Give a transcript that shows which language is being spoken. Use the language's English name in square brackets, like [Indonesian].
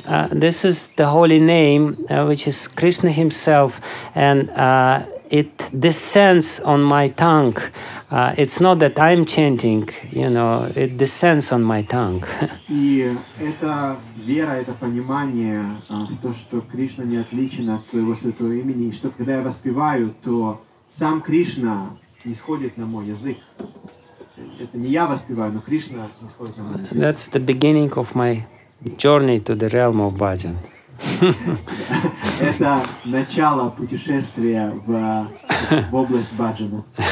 [English] This is the holy name, which is Krishna himself, and it descends on my tongue. It's not that I'm chanting, you know, it descends on my tongue. [Russian] И это вера, это понимание, то, что Кришна не отличен от своего святого имени, и что когда я воспеваю, то сам Кришна нисходит на мой язык. Это не я воспеваю, но Кришна нисходит на мой язык. [English] That's the beginning of my journey to the realm of bhajan. [Russian] Это начало путешествия в область баджана.